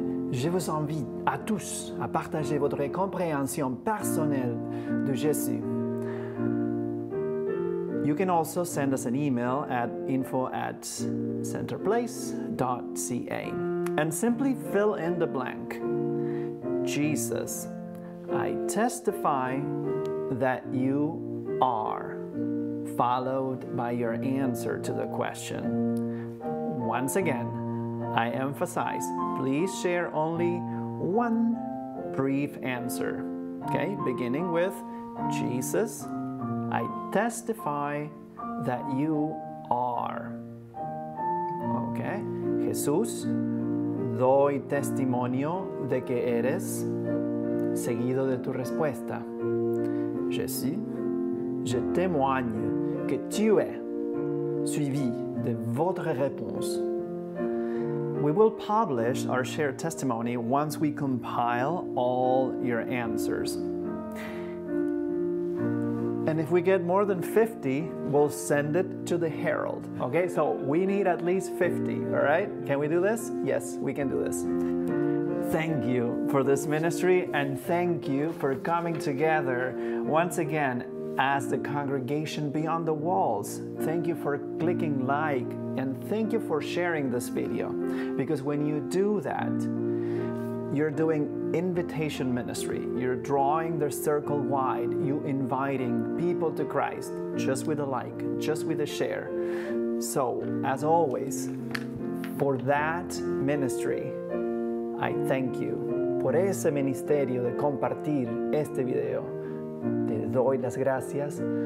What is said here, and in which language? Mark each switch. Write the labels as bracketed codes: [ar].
[fr] Je vous invite à tous à partager votre compréhension personnelle de Jésus. [en] You can also send us an email at info@centerplace.ca and simply fill in the blank. Jesus, I testify that you are, followed by your answer to the question. Once again, I emphasize, please share only one brief answer, okay? Beginning with, Jesus, I testify that you are. Okay? [es] Jesús, doy testimonio de que eres, seguido de tu respuesta. [fr] Jésus, je témoigne que tu es, suivi de votre réponse. [en] We will publish our shared testimony once we compile all your answers. And if we get more than 50, we'll send it to the Herald. Okay, so we need at least 50, all right? Can we do this? Yes, we can do this. Thank you for this ministry, and thank you for coming together once again as the congregation beyond the walls. Thank you for clicking like, and thank you for sharing this video. Because when you do that, You're doing invitation ministry. You're drawing their circle wide. You're inviting people to Christ just with a like, just with a share. So, as always, for that ministry, I thank you. [es] Por ese ministerio de compartir este video, te doy las gracias.